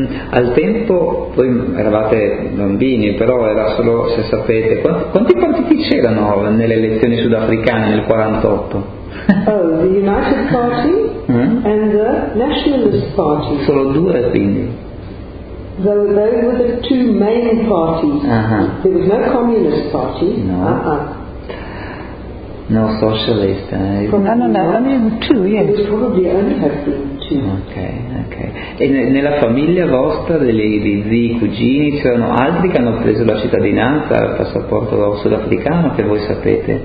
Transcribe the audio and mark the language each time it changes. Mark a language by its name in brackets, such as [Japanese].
[Italian] Al tempo, voi eravate bambini, però era solo, se sapete, quanti partiti c'erano nelle elezioni sudafricane nel 48? [English] Oh, the United Party and the Nationalist Party. [Italian] Solo due, quindi? [English] Those were the two main parties. Uh-huh. There was no Communist Party. No. Uh-uh. No socialist. Two, yes. It was probably only have been two. Okay. [Italian] E nella famiglia vostra, dei zii, cugini, c'erano altri che hanno preso la cittadinanza, il passaporto sudafricano, che voi sapete?